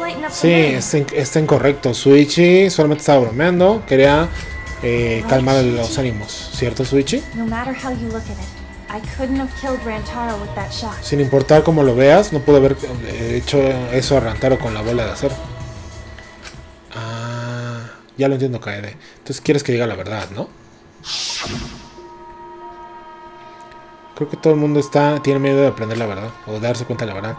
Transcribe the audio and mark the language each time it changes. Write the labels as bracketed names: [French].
[Spanish] Sí, está incorrecto. Shuichi solamente estaba bromeando. Quería calmar los ánimos. ¿Cierto, Shuichi? [English] No matter how you look at it. I couldn't have killed Rantaro with that shot. [Spanish] Sin importar cómo lo veas, no pude haber hecho eso a Rantaro con la bola de acero. Ah, ya lo entiendo, Kaede. Entonces quieres que diga la verdad, ¿no? Creo que todo el mundo tiene miedo de aprender la verdad o darse cuenta de la verdad.